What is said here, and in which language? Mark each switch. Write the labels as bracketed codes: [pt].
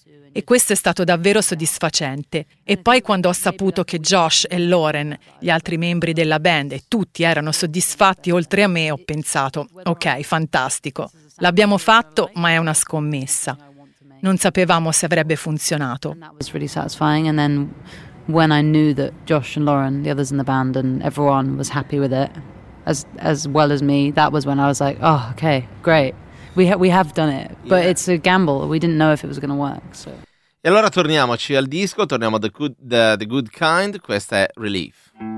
[it] E questo è stato davvero soddisfacente. E poi quando ho saputo che Josh e Lauren, gli altri membri della band, e tutti erano soddisfatti oltre a me, ho pensato, ok, fantastico. L'abbiamo fatto, ma è una scommessa. Non sapevamo se avrebbe funzionato. [en] That was really satisfying. And then when I knew that Josh and Lauren, the others in the band, and everyone was happy with it, as well as me, that was when I was like, oh, okay, great. We have done it, but yeah. It's a gamble. We didn't know if it was going to work. So. [it] E allora torniamoci al disco, torniamo a the Good Kind, questa è Relief.